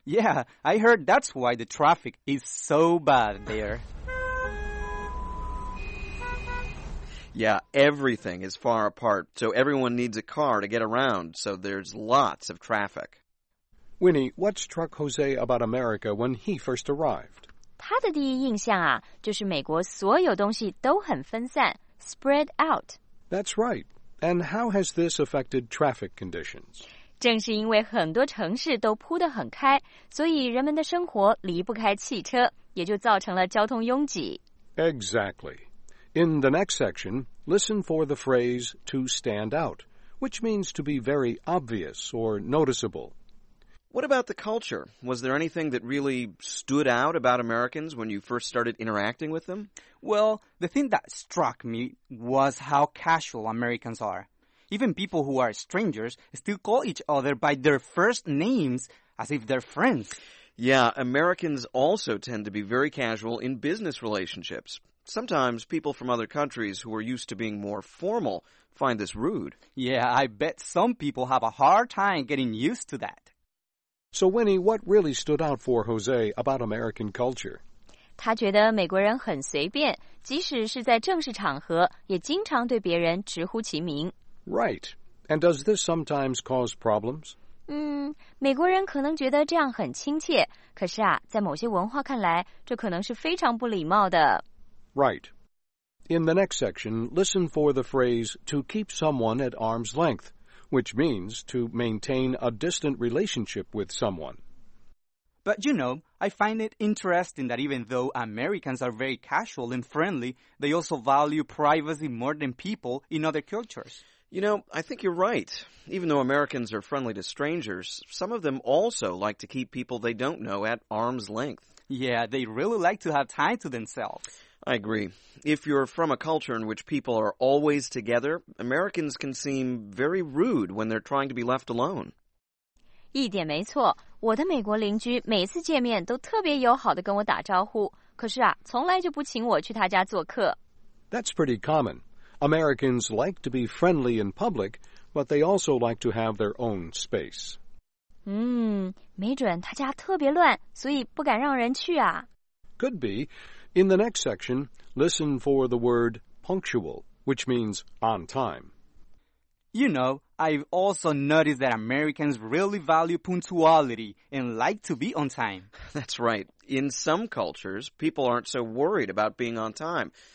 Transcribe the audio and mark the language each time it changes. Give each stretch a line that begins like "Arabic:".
English: Yeah, I heard that's why the traffic is so bad there. Yeah, everything is far apart, so everyone needs a car to get around, so there's lots of traffic. Winnie, what struck Jose about America when he first arrived?
Chinese: 他的第一印象啊，就是美国所有东西都很分散。
English: Spread out. That's right. And how has this affected traffic conditions?
Chinese: 正是因为很多城市都铺得很开，所以人们的生活离不开汽车，也就造成了交通拥挤。
English: Exactly. In the next section, listen for the phrase to stand out, which means to be very obvious or noticeable. What about the culture? Was there anything that really stood out about Americans when you first started interacting with them? Well, the thing that struck me was how casual Americans are. Even people who are strangers still call each other by their first names as if they're friends. Yeah, Americans also tend to be very casual in business relationships. Sometimes people from other countries who are used to being more formal find this rude. Yeah, I bet some people have a hard time getting used to that. So, Winnie, what really stood out for Jose about American culture?
Chinese: 他觉得美国人很随便，即使是在正式场合，也经常对别人直呼其名。
English: Right. And does this sometimes cause problems?
Chinese: 美国人可能觉得这样很亲切，可是啊，在某些文化看来，这可能是非常不礼貌的。
English: Right. In the next section, listen for the phrase to keep someone at arm's length. Which means to maintain a distant relationship with someone. But you know, I find it interesting that even though Americans are very casual and friendly, they also value privacy more than people in other cultures. You know, I think you're right. Even though Americans are friendly to strangers, some of them also like to keep people they don't know at arm's length. Yeah, they really like to have time to themselves. I agree. If you're from a culture in which people are always together, Americans can seem very rude when they're trying to be left alone.
Chinese: 一点没错，我的美国邻居每次见面都特别友好地跟我打招呼，可是啊，从来就不请我去他家做客。
English: That's pretty common. Americans like to be friendly in public, but they also like to have their own space.
Chinese: 没准他家特别乱，所以不敢让人去啊。
English: Could be. In the next section, listen for the word punctual, which means on time. You know, I've also noticed that Americans really value punctuality and like to be on time. That's right. In some cultures, people aren't so worried about being on time.